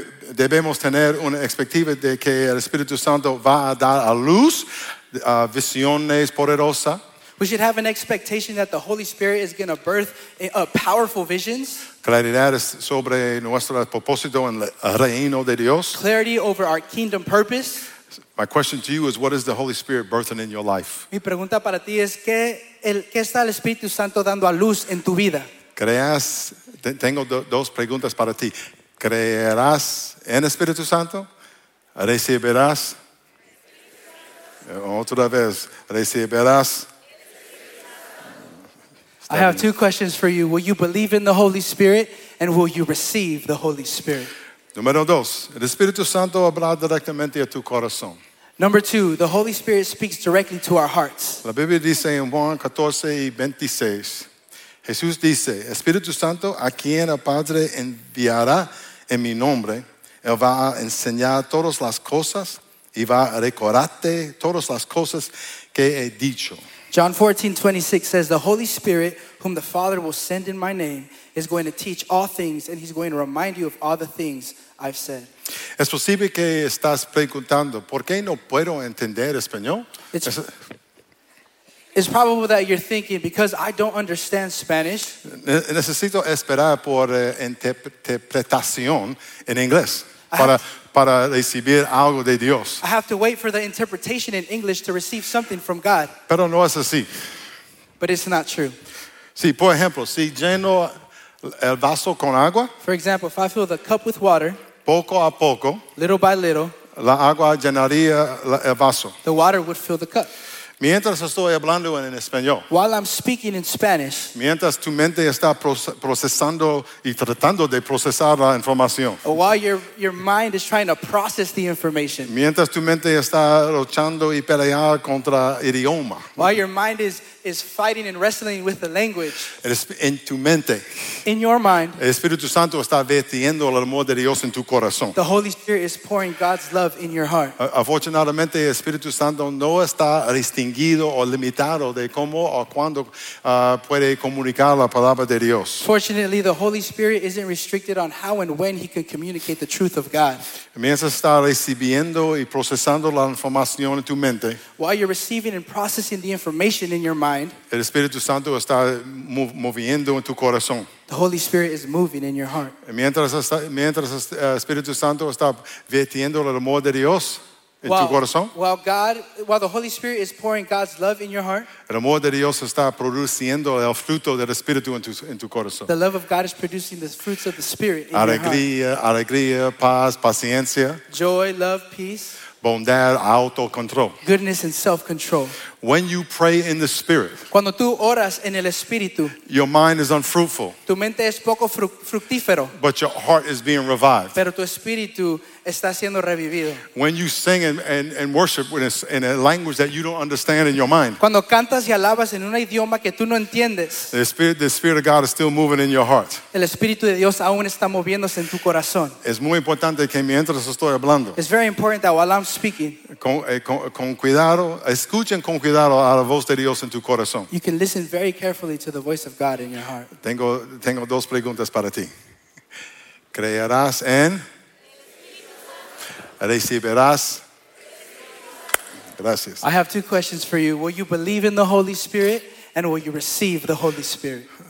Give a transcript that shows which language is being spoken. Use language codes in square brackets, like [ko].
[es] Debemos tener una expectativa de que el Espíritu Santo va a dar a luz visiones poderosas. [en] We should have an expectation that the Holy Spirit is going to birth powerful visions. [es] Claridad sobre nuestro propósito en el reino de Dios. [en] Clarity over our kingdom purpose. My question to you is, what is the Holy Spirit birthing in your life? [es] Mi pregunta para ti es qué está el Espíritu Santo dando a luz en tu vida. ¿Creas? Tengo dos preguntas para ti. ¿Creerás en el Espíritu Santo? ¿Recibirás? Otra vez, ¿recibirás? [en] I have two questions for you. Will you believe in the Holy Spirit, and will you receive the Holy Spirit? [es] Número dos, el Espíritu Santo habla directamente a tu corazón. [en] Number two, the Holy Spirit speaks directly to our hearts. [es] La Biblia dice en Juan 14:26, Jesús dice, Espíritu Santo, a quien el Padre enviará en mi nombre, Él va a enseñar todas las cosas y va a recordarte todas las cosas que he dicho. [en] John 14:26 says, the Holy Spirit, whom the Father will send in my name, is going to teach all things and he's going to remind you of all the things I've said. [es] Es posible que estás preguntando, ¿por qué no puedo entender español? [en] It's probable that you're thinking, because I don't understand Spanish. [es] Necesito esperar por interpretación en inglés para recibir algo de Dios. [en] I have to wait for the interpretation in English to receive something from God. [es] Pero no es así. [en] But it's not true. [es] Sí, por ejemplo, si lleno el vaso con agua. [en] For example, if I fill the cup with water. [es] Poco a poco. [en] Little by little. [es] La agua llenaría el vaso. [en] The water would fill the cup. [es] Mientras estoy hablando en español. [en] While I'm speaking in Spanish. [es] Mientras tu mente está procesando y tratando de procesar la información. [en] While your mind is trying to process the information. [es] Mientras tu mente está luchando y peleando contra el idioma. [en] While your mind is fighting and wrestling with the language. [es] En tu mente. [en] In your mind. [es] El Espíritu Santo está vertiendo el amor de Dios en tu corazón. [en] The Holy Spirit is pouring God's love in your heart. [es] Afortunadamente, el Espíritu Santo no está restringido o limitado de cómo o cuándo puede comunicar la palabra de Dios. [en] Fortunately, the Holy Spirit isn't restricted on how and when he can communicate the truth of God. [es] Mientras está recibiendo y procesando la información en tu mente. [en] While you're receiving and processing the information in your mind. [es] El Espíritu Santo está moviendo en tu corazón. [en] The Holy Spirit is moving in your heart. [es] Mientras el Espíritu Santo está vertiendo el amor de Dios en tu corazón. [en] While the Holy Spirit is pouring God's love in your heart. [es] El amor de Dios está produciendo el fruto del Espíritu en tu corazón. [en] The love of God is producing the fruits of the Spirit in [es] alegría, paz, paciencia. [en] Joy, love, peace. [es] Bondad, autocontrol. [en] Goodness and self-control. When you pray in the Spirit, [es] cuando tú oras en el Espíritu, [en] your mind is unfruitful. [es] Tu mente es poco fructífero. [en] But your heart is being revived. [es] Pero tu espíritu está siendo revivido. [en] When you sing and worship in a language that you don't understand in your mind, [es] cuando cantas y alabas en un idioma que tú no entiendes, [en] the Spirit of God is still moving in your heart. [es] El Espíritu de Dios aún está moviéndose en tu corazón. Es muy importante que mientras estoy hablando, [en] it's very important that while I'm speaking, [es] con cuidado, escuchen con cuidado a la voz de Dios en tu corazón. [en] You can listen very carefully to the voice of God in your heart. [es] Tengo dos preguntas para ti. ¿Creerás en? ¿Recibirás? Gracias. [en] I have two questions for you. Will you believe in the Holy Spirit and will you receive the Holy Spirit?